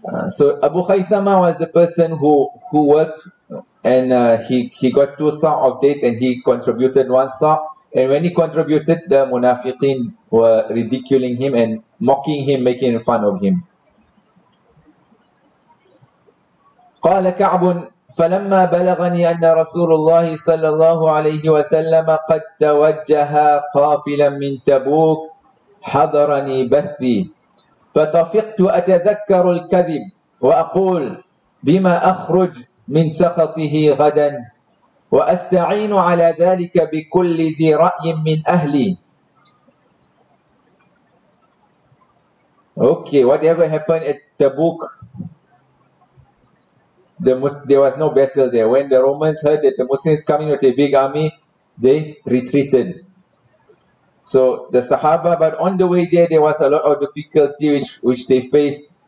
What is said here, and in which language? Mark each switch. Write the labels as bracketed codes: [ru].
[en] So Abu Khaythama was the person who worked and he got two saw of dates and he contributed one saw. And when he contributed, the munafiqeen were ridiculing him and mocking him, making fun of him. [ar] قَالَ كَعْبٌ فَلَمَّا بَلَغَنِي أَنَّ رَسُولُ اللَّهِ صَلَّى اللَّهُ عَلَيْهِ وَسَلَّمَ قَدْ تَوَجَّهَا قَافِلًا مِّن تَبُوكُ حَضَرَنِي بَثِّي فطفقت أتذكر الكذب وأقول بما أخرج من سخطه غدا وأستعين على ذلك بكل ذي رأي من أهلي. [en] Okay, whatever happened at Tabuk, there was no battle there. When the Romans heard that the Muslims coming with a big army, they retreated. So the Sahaba, but on the way there was a lot of difficulty which they faced.